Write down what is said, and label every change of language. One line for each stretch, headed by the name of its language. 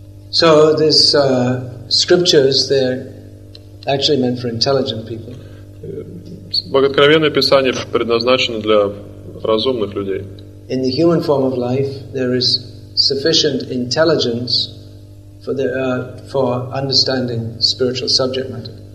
English: So these scriptures, they're actually meant for intelligent people.
Russian: Богооткровенное писание предназначено для разумных людей.
English: In the human form of life, there is sufficient intelligence for understanding spiritual subject matter.